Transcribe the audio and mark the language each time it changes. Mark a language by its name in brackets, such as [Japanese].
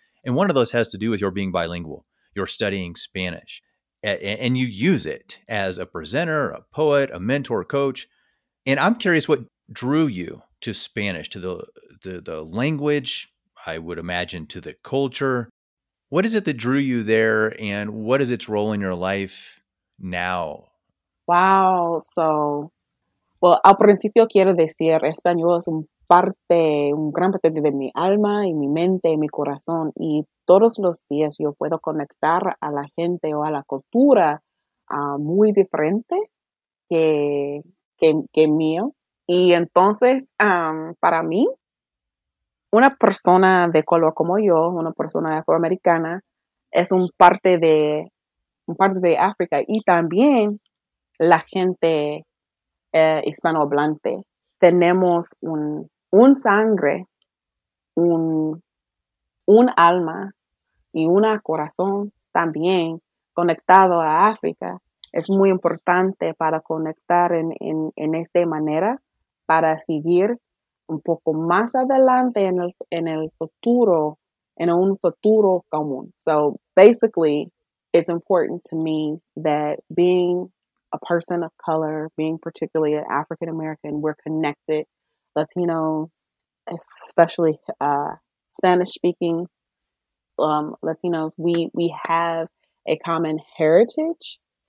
[English] And one of those has to do with your being bilingual, your studying Spanish, and you use it as a presenter, a poet, a mentor, a coach. And I'm curious what drew you to Spanish, to the language, I would imagine to the culture. What is it that drew you there and what is its role in your life now? Wow. So, well, [Spanish] al principio quiero decir, español es un gran parte de mi alma y mi mente y mi corazón. Y todos los días yo puedo conectar a la gente o a la cultura muy diferente que mío. Y entonces, para mí, una persona de color como yo, una persona afroamericana, es un parte de África y también la gente hispanohablante. Tenemos un sangre, un alma y un corazón también conectado a África. Es muy importante para conectar en esta manera, para seguir un poco más adelante en el futuro, en un futuro común. [English] So basically, it's important to me that being a person of color, being particularly an African American, we're connected, Latinos, especially Spanish speaking Latinos, we have a common heritage.